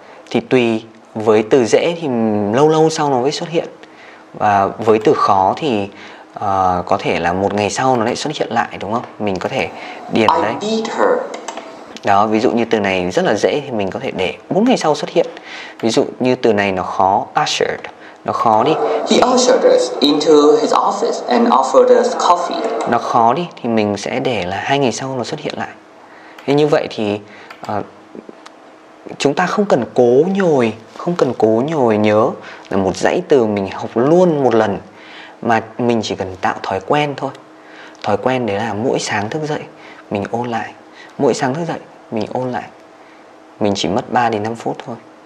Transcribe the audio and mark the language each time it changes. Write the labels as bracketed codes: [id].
[vi] Thì tùy, với từ dễ thì lâu lâu sau nó mới xuất hiện, và với từ khó thì có thể là một ngày sau nó lại xuất hiện lại, đúng không? Mình có thể điền ở đây. [en] I beat her. [vi] Đó, ví dụ như từ này rất là dễ thì mình có thể để 4 ngày sau xuất hiện. Ví dụ như từ này nó khó, ushered, nó khó đi. [en] He ushered us into his office and offered us coffee. [vi] Nó khó đi thì mình sẽ để là 2 ngày sau nó xuất hiện lại. Thế như vậy thì chúng ta không cần cố nhồi, không cần cố nhồi nhớ là một dãy từ mình học luôn một lần, mà mình chỉ cần tạo thói quen thôi. Thói quen đấy là mỗi sáng thức dậy mình ôn lại, mỗi sáng thức dậy mình ôn lại, mình chỉ mất 3 đến 5 phút thôi.